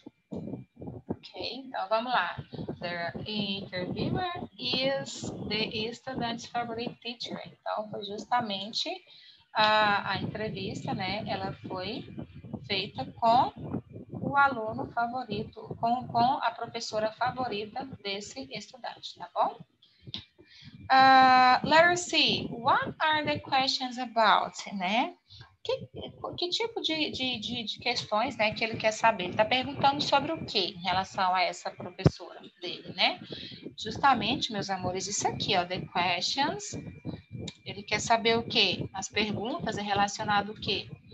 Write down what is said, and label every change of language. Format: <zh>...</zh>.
<pt>Ok, então vamos lá.</pt> <en>The interviewer is the student's favorite teacher.</en> <pt>Então, foi justamente a entrevista, né? Ela foi feita com o aluno favorito, com a professora favorita desse estudante, tá bom?</pt> <en>Letter C, what are the questions about, né?</en> <pt>Que tipo de questões, né, que ele quer saber? Ele está perguntando sobre o que em relação a essa professora dele, né? Justamente, meus amores, isso aqui, ó, the questions. Ele quer saber o que? As perguntas é relacionado o que?</pt>